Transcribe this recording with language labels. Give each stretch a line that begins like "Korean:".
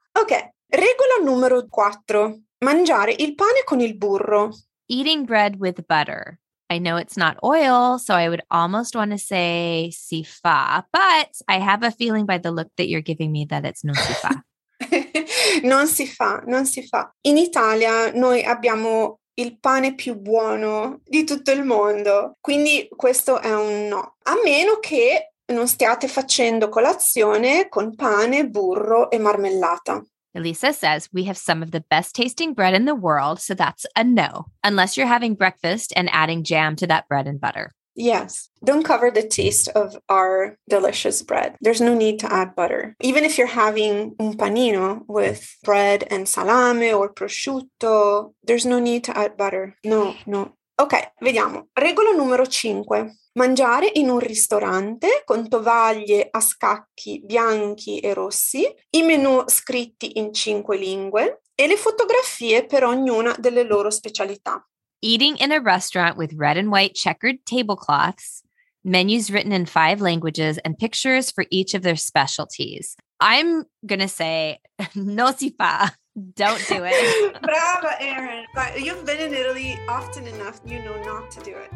Italian: Okay. Regola numero quattro. Mangiare il pane con il burro.
English: Eating bread with butter. I know it's not oil, so I would almost want to say
Italian: si fa,
English: but I have a feeling by the look that you're giving me that it's
Italian: non si fa. Non si fa, non si fa. In Italia noi abbiamo il pane più buono di tutto il mondo, quindi questo è un no. A meno che non stiate facendo colazione con pane, burro e marmellata.
English: Elisa says, we have some of the best tasting bread in the world, so that's a no. Unless you're having breakfast and adding jam to that bread and butter. Yes. Don't cover the taste of our delicious bread. There's no need to add butter. Even if you're having un panino with bread and salame or prosciutto, there's no need to add butter. No, no.
Italian: Ok, vediamo. Regola numero 5. Mangiare in un ristorante con tovaglie a scacchi bianchi e rossi, i menù scritti in 5 lingue e le fotografie per ognuna delle loro specialità.
English: Eating in a restaurant with red and white checkered tablecloths, menus written in 5 languages and pictures for each of their specialties. I'm gonna say,
Italian: no si fa.
English: Don't do it.
Italian: Brava, Erin.
English: But you've been in Italy often enough, you know not to do it.